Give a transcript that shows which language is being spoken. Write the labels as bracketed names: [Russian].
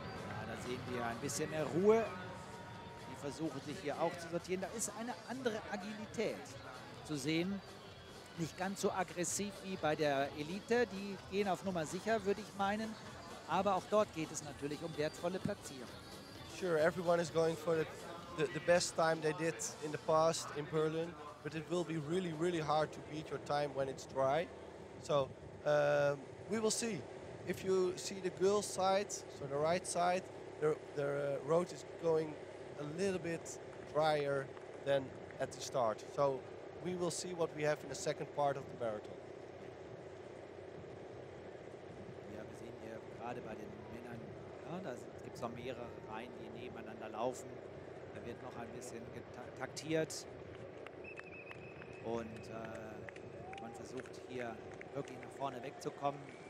[German] Ja, da sehen wir ein bisschen mehr Ruhe. Die versuchen sich hier auch zu sortieren. Da ist eine andere Agilität zu sehen. Nicht ganz so aggressiv wie bei der Elite, die gehen auf Nummer sicher, würde ich meinen. Aber auch dort geht es natürlich um wertvolle Platzierung. [English] Sure, everyone is going for the best time they did in the past in Berlin. But it will be really, really hard to beat your time when it's dry. So, we will see. If you see the girls' side, so the right side, the road is going a little bit drier than at the start. So, we will see what we have in the second part of the marathon. [German] Ja, wir sehen hier gerade bei den Männern, ja, da gibt es noch mehrere Reihen, die nebeneinander laufen. Da wird noch ein bisschen taktiert. Und man versucht hier wirklich nach vorne wegzukommen.